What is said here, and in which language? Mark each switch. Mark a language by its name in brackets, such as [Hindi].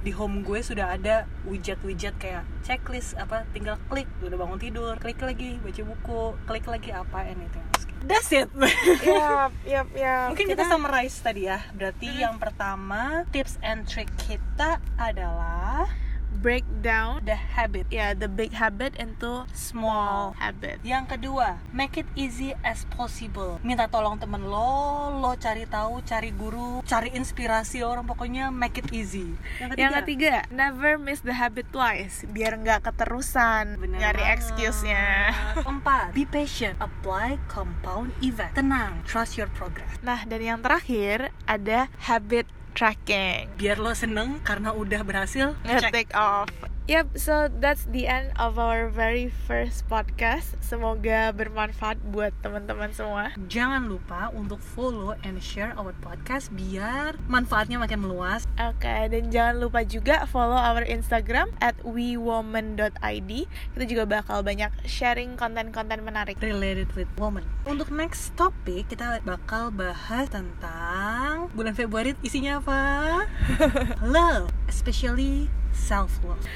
[Indonesian] Di home gue sudah ada widget-widget kayak checklist apa, tinggal klik, udah bangun tidur, klik lagi, baca buku, klik lagi apa, [English] anything else. That's it. Yep. [Indonesian] Mungkin kita summarize tadi ya. Berarti yang pertama, [English] tips and trick [Indonesian] kita adalah [English] break down the habit. Yeah, the big habit into small habit. [Indonesian] Yang kedua, [English] make it easy as possible. [Indonesian] Minta tolong temen lo, lo cari tahu, cari guru, cari inspirasi orang, pokoknya [English] make it easy. [Indonesian] Yang ketiga, [English] never miss the habit twice. [Indonesian] Biar nggak keterusan, nyari excuse-nya. Empat, [English] be patient, apply compound effect. [Indonesian] Tenang, [English] trust your progress. [Indonesian] Nah, dan yang terakhir, ada habit tracking. Biar lo seneng karena udah berhasil [English] take off. Yep, so that's the end of our very first podcast. [Indonesian] Semoga bermanfaat buat teman-teman semua. Jangan lupa untuk [English] follow and share our podcast [Indonesian] biar manfaatnya makin meluas. [English] Okay, [Indonesian] dan jangan lupa juga [English] follow our Instagram [Indonesian] @wewoman.id. Kita juga bakal banyak sharing konten-konten menarik [English] related with woman. [Indonesian] Untuk next topic, kita bakal bahas tentang bulan Februari isinya apa? [English] Love, especially self-love.